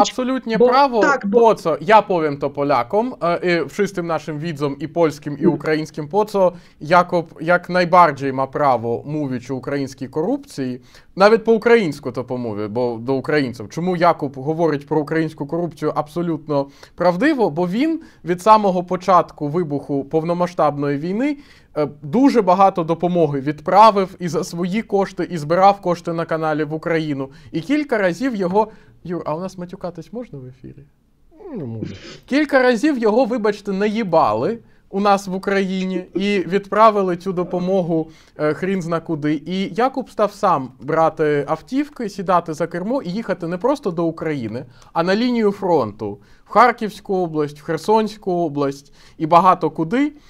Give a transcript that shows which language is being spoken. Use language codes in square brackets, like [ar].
[pl] Absolutnie bo, prawo, tak, bo po co? Ja powiem to Polakom, wszystkim naszym widzom i polskim i ukraińskim, po co Jakub jak najbardziej ma prawo mówić o ukraińskiej korupcji, nawet po ukraińsku to pomówię, bo do Ukraińców. Czemu Jakub mówić pro ukraińską korupcję absolutnie prawdziwo? Bo on od samego początku [uk] вибуху повномасштабної війни дуже багато допомоги відправив і за свої кошти, і збирав кошти на каналі в Україну. І кілька разів його... Юр, а у нас матюкатись можна в ефірі? Не може. Кілька разів його, вибачте, наїбали у нас в Україні і відправили цю допомогу хрін зна куди. І Якуб став сам брати автівки, сідати за кермо і їхати не просто до України, а на лінію фронту в Харківську область, в Херсонську область і багато куди.